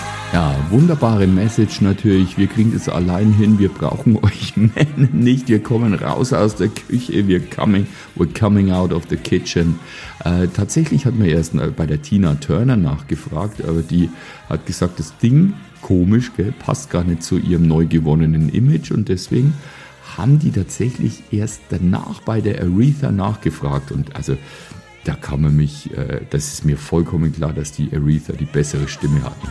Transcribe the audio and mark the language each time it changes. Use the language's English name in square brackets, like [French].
[German] Ja, wunderbare Message natürlich. Wir kriegen es allein hin. Wir brauchen euch Männer nicht. Wir kommen raus aus der Küche. [English] We're coming out of the kitchen. [German] Tatsächlich hat man erst bei der Tina Turner nachgefragt, aber die hat gesagt, das Ding, komisch, gell, passt gar nicht zu ihrem neu gewonnenen Image. Und deswegen haben die tatsächlich erst danach bei der Aretha nachgefragt. Und also, da kann man mich, das ist mir vollkommen klar, dass die Aretha die bessere Stimme hat.